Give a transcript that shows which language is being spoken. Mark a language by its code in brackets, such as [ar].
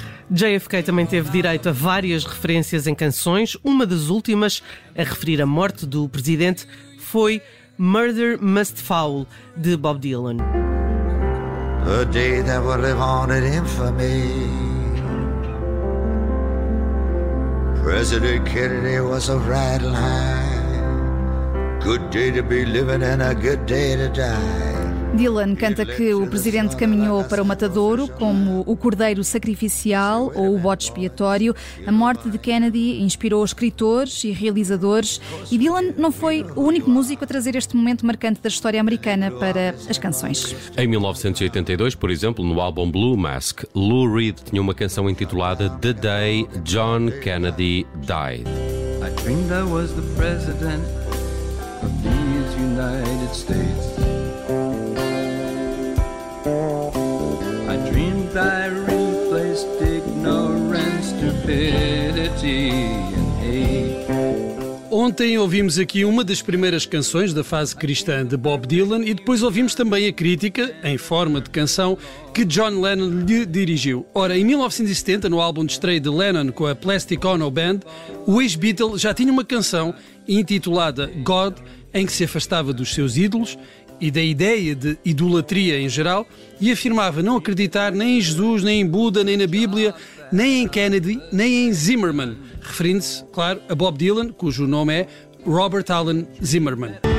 [pt] JFK também teve direito a várias referências em canções. Uma das últimas a referir a morte do presidente foi Murder Must Foul, de Bob Dylan. [en] A day that will live on in infamy. President Kennedy was a right line. Good day to be living and a good day to die. [pt] Dylan canta que o presidente caminhou para o matadouro, como o cordeiro sacrificial ou o bode expiatório. A morte de Kennedy inspirou escritores e realizadores, e Dylan não foi o único músico a trazer este momento marcante da história americana para as canções. Em 1982, por exemplo, no álbum Blue Mask, Lou Reed tinha uma canção intitulada The Day John Kennedy Died. [en] I dreamed I was the president of these United States. I dreamed I replaced ignorance, stupidity and hate. [pt] Ontem ouvimos aqui uma das primeiras canções da fase cristã de Bob Dylan e depois ouvimos também a crítica, em forma de canção, que John Lennon lhe dirigiu. Ora, em 1970, no álbum de estreia de Lennon com a Plastic Ono Band, o ex-Beatle já tinha uma canção intitulada God, em que se afastava dos seus ídolos e da ideia de idolatria em geral, e afirmava não acreditar nem em Jesus, nem em Buda, nem na Bíblia, nem em Kennedy, nem em Zimmerman, referindo-se, claro, a Bob Dylan, cujo nome é Robert Allen Zimmerman.